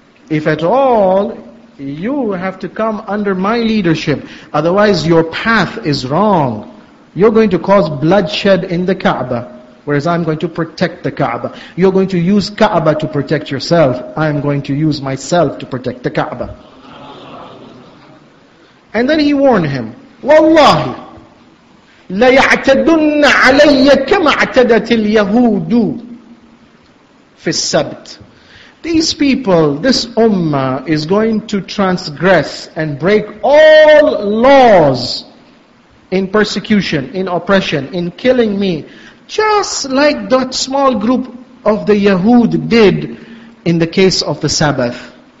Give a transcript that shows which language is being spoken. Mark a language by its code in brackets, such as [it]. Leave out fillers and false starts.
[en] If at all, you have to come under my leadership. Otherwise, your path is wrong. You're going to cause bloodshed in the Kaaba, whereas I'm going to protect the Kaaba. You're going to use Kaaba to protect yourself. I'm going to use myself to protect the Kaaba. And then he warned him, Wallahi, [ar] لَيَعْتَدُنَّ عَلَيَّ كَمَ اَعْتَدَتِ الْيَهُودُ فِي السَّبْتِ. [en] These people, this ummah, is going to transgress and break all laws in persecution, in oppression, in killing me, just like that small group of the Yahud did in the case of the Sabbath.